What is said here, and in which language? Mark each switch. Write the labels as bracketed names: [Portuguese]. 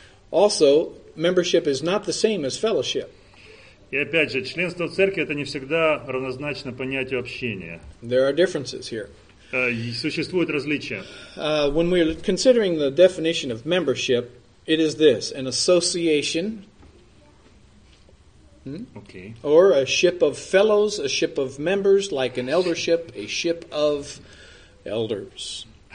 [English] Also, membership is not the same as fellowship. [Russian] И опять же, членство в церкви это не всегда равнозначно понятию общения. [English] There are differences here. [Russian] Существуют различия. [English] When we're considering the definition of membership, it is this: an association. Okay. Or a ship of fellows, a ship of members, like an eldership, a ship of elders.